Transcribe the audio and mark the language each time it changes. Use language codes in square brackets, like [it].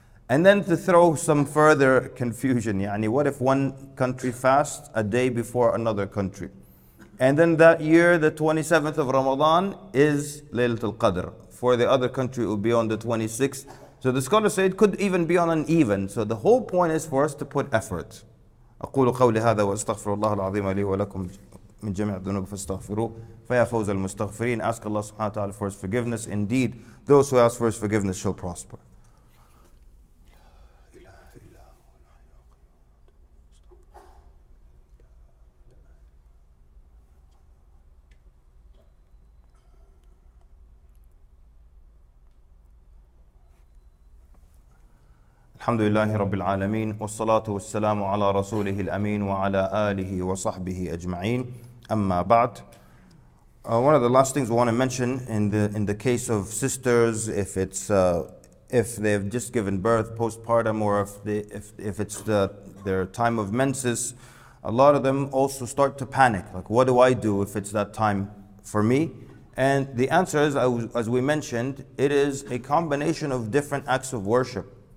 [en] And then to throw some further confusion, [ar] يعني [en] what if one country fasts a day before another country? And then that year, the 27th of Ramadan is Laylatul Qadr. For the other country, it will be on the 26th. So the scholars say it could even be on an even. So the whole point is for us to put effort. [ar] أقول قولي هذا وأستغفر الله العظيم لي ولكم من جميع الذنوب فاستغفروه فيا فوز المستغفرين. [en] Ask Allah subhanahu wa ta'ala for his forgiveness. Indeed, those who ask for his forgiveness shall prosper. [ar] الحمد لله رب العالمين والصلاة والسلام على رسوله الأمين وعلى آله وصحبه أجمعين. أما بعد, [en] one of the last things we want to mention in the case of sisters, if they've just given birth postpartum, or if it's their time of menses, a lot of them also start to panic. Like, what do I do if it's that time for me? And the answer is, as we mentioned, it is a combination of different acts of worship.